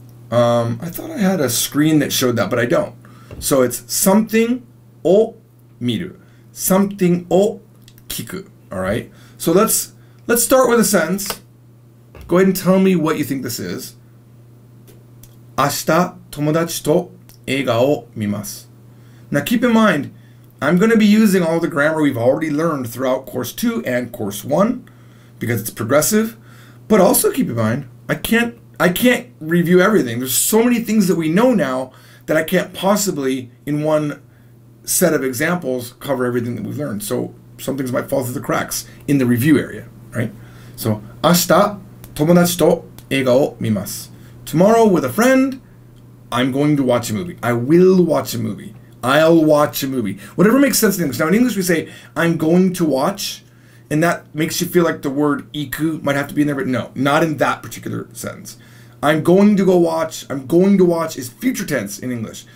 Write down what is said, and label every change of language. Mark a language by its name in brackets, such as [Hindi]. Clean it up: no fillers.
[English] I thought I had a screen that showed that, but I don't. So it's something o miru. Something o kiku, all right? So let's start with a sentence. Go ahead and tell me what you think this is. [Japanese] 明日友達と映画を見ます。 [English] Now keep in mind, I'm going to be using all the grammar we've already learned throughout course 2 and course 1 because it's progressive. But also keep in mind, I can't review everything. There's so many things that we know now that I can't possibly, in one set of examples, cover everything that we've learned. So some things might fall through the cracks in the review area, right? [Japanese] So 明日友達と映画を見ます。 [English] Tomorrow with a friend, I'm going to watch a movie. I will watch a movie. I'll watch a movie. Whatever makes sense in English. Now in English we say, I'm going to watch, and that makes you feel like the word iku might have to be in there, but no, not in that particular sentence. I'm going to go watch. I'm going to watch is future tense in English.